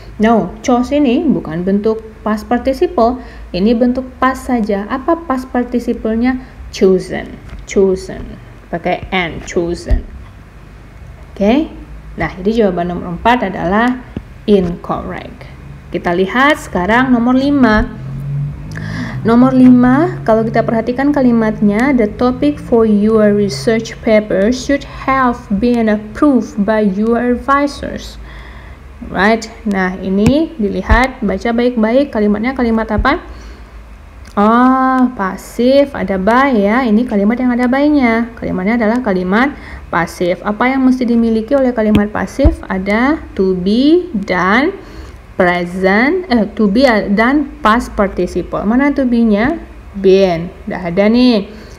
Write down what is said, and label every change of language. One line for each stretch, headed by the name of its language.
Indonesian: No, chose ini bukan bentuk past participle, ini bentuk past saja. Apa past participle-nya? Chosen. Chosen, pakai and, chosen. Oke, okay? Nah, jadi jawaban nomor 4 adalah incorrect. Kita lihat sekarang nomor 5. Nomor 5, kalau kita perhatikan kalimatnya,
English: the topic for your research paper should have been approved by your advisors. Right?
Indonesian: Nah, ini dilihat, baca baik-baik, kalimatnya kalimat apa? Oh, pasif, ada by ya. Ini kalimat yang ada by-nya. Kalimatnya adalah kalimat pasif. Apa yang mesti dimiliki oleh kalimat pasif? Ada to be dan present, to be dan past participle. Mana to be-nya? Been. Sudah ada nih.